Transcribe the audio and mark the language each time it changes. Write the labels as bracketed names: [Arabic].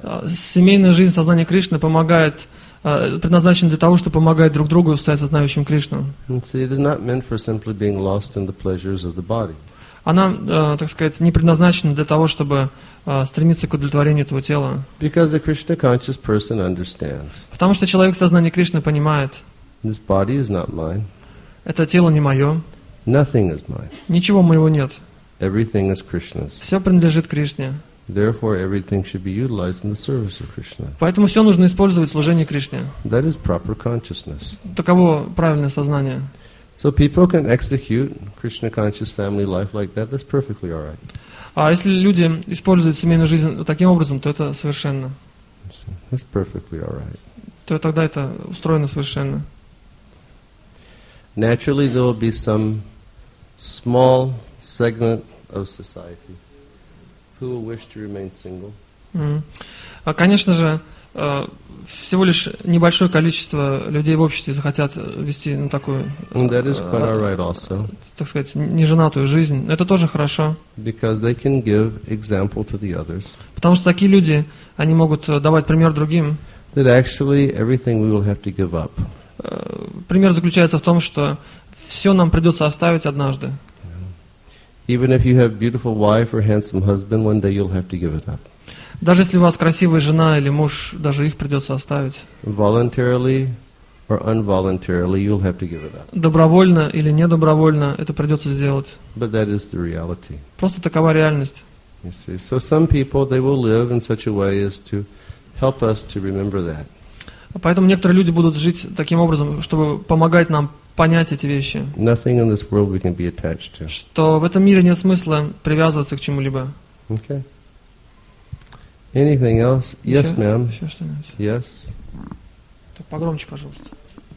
[Russian] Семейная жизнь сознания Кришны помогает, предназначена для того, чтобы помогать друг другу стать сознающим Кришну. Она, так сказать, не предназначена для того, чтобы стремиться к удовлетворению этого тела. [English] Because the Krishna conscious person understands. [Russian] Потому что человек сознания Кришны понимает. [English] This body is not mine. [Russian] Это тело не мое. [English] Nothing is mine. [Russian] Ничего моего нет. [English] Everything is Krishna's. [Russian] Все принадлежит Кришне. [English] Therefore, everything should be utilized in the service of Krishna. [Russian] Поэтому все нужно использовать в служении Кришне. [English] That is proper consciousness. [Russian] Таково правильное сознание. [English] So people can execute Krishna conscious family life like that. That's perfectly all right. [Russian] А если люди используют семейную жизнь таким образом, то это совершенно. [English] That's perfectly all right. [Russian] То тогда это устроено совершенно. [English] Naturally, there will be some small segment of society. Who will wish to remain single? [Russian] Конечно же, всего лишь небольшое количество людей в обществе захотят вести такую, [English] that is quite all right also. [Russian] Так сказать, неженатую жизнь. Это тоже хорошо. [English] Because they can give example to the others. [Russian] Потому что такие люди, они могут давать пример другим. [English] That actually everything we will have to give up. [Russian] Пример заключается в том, что все нам придется оставить однажды. [English] Even if you have beautiful wife or handsome husband, one day you'll have to give it up. [Russian] Даже если у вас красивая жена или муж, даже их придется оставить. [English] Voluntarily or involuntarily, you'll have to give it up. [Russian] Добровольно или недобровольно, это придется сделать. [English] But that is the reality. [Russian] Просто такова реальность. [English] You see, so some people they will live in such a way as to help us to remember that. [Russian] Поэтому некоторые люди будут жить таким образом, чтобы помогать нам понять эти вещи. [English] Nothing in this world we can be attached to. [Russian] Что в этом мире нет смысла привязываться к чему-либо. [English] Okay. Anything else? Yes, ma'am. [Russian] Еще что-нибудь? [English] Yes. [Russian] Так погромче, пожалуйста.